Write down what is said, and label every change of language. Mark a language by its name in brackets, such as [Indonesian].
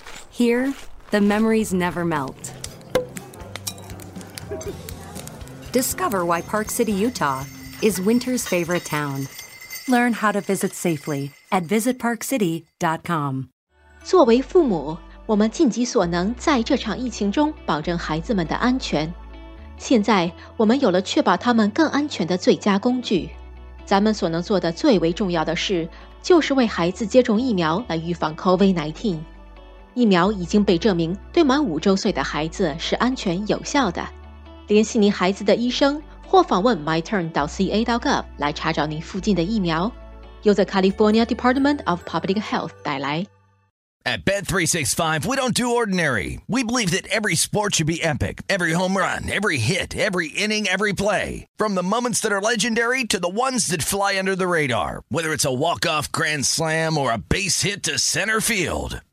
[English] Here, the memories never melt. Discover why Park City, Utah is winter's favorite town. Learn how to visit safely at visitparkcity.com. [Chinese] 作为父母，我们尽己所能在这场疫情中保证孩子们的安全。现在，我们有了确保他们更安全的最佳工具。咱们所能做的最为重要的事，就是为孩子接种疫苗来预防 COVID-19。疫苗已经被证明对满五周岁的孩子是安全有效的。联系您孩子的医生或访问 myturn.ca.gov 来查找您附近的疫苗，由 The California Department of Public Health 带来。 [English] At Bet365, we don't do ordinary. We believe that every sport should be epic. Every home run, every hit, every inning, every play. From the moments that are legendary to the ones that fly under the radar. Whether it's a walk-off grand slam or a base hit to center field.